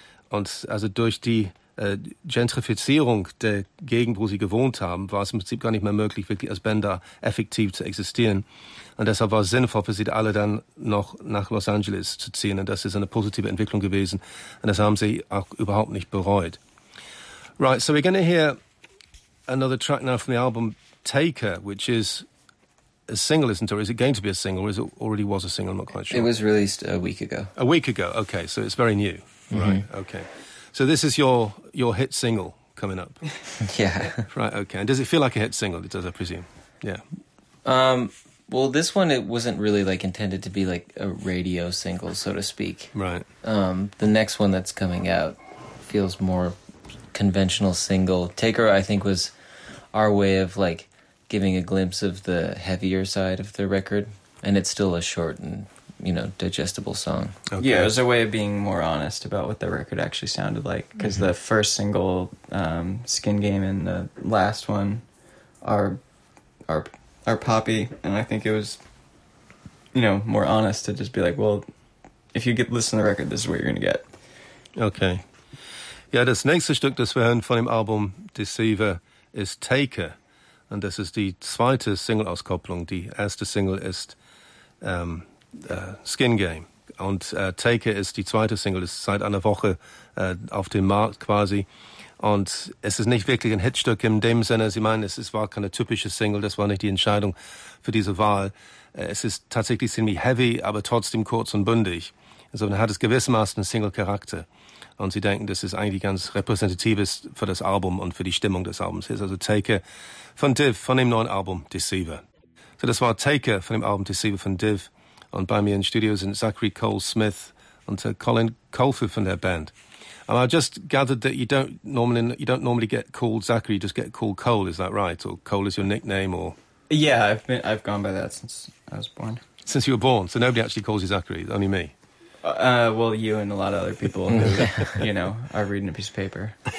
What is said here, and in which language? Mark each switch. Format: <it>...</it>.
<de>Und also durch die Gentrifizierung der Gegend, wo sie gewohnt haben, war es im Prinzip gar nicht mehr möglich, wirklich als Band da effektiv zu existieren. Und deshalb war es sinnvoll für sie alle dann noch nach Los Angeles zu ziehen. Und das ist eine positive Entwicklung gewesen. Und das haben sie auch überhaupt nicht bereut.</de> <en>Right, so we're going to hear another track now from the album Taker, which is a single, isn't it? Or is it going to be a single? Or is it already was a single? I'm not quite sure. It was released a week ago. A week ago, okay. So it's very new. Mm-hmm. Right, okay. So this is your hit single coming up. Yeah. Right, okay. And does it feel like a hit single? It does, I presume. Yeah. Well, this one, it wasn't really like intended to be like a radio single, so to speak. Right. The next one that's coming out feels more... conventional single. Taker, I think, was our way of like giving a glimpse of the heavier side of the record, and it's still a short and you know, digestible song. Okay. Yeah, it was a way of being more honest about what the record actually sounded like, because mm-hmm. the first single, Skin Game, and the last one are poppy, and I think it was, you know, more honest to just be like, well, if you get listen to the record, this is what you're going to get. Okay.</en> <de>Ja, das nächste Stück, das wir hören von dem Album Deceiver, ist Taker. Und das ist die zweite Single-Auskopplung. Die erste Single ist Skin Game. Und Taker ist die zweite Single. Ist seit einer Woche auf dem Markt quasi. Und es ist nicht wirklich ein Hitstück in dem Sinne. Sie meinen, es war keine typische Single. Das war nicht die Entscheidung für diese Wahl. Es ist tatsächlich ziemlich heavy, aber trotzdem kurz und bündig. Also dann hat es gewissermaßen einen Single-Charakter. Und sie denken, das ist eigentlich ganz repräsentativ für das Album und für die Stimmung des Albums. Hier ist also Taker von Div von dem neuen Album Deceiver. So, das war Taker von dem Album Deceiver von Div. Und bei mir im Studio sind Zachary Cole-Smith und Colin Colfer von der Band.</de> <en>And I just gathered that you don't normally get called Zachary, you just get called Cole, is that right? Or Cole is your nickname, or... Yeah, I've gone by that since I was born. Since you were born, so nobody actually calls you Zachary, only me. Well, you and a lot of other people who, you know, are reading a piece of paper.</en>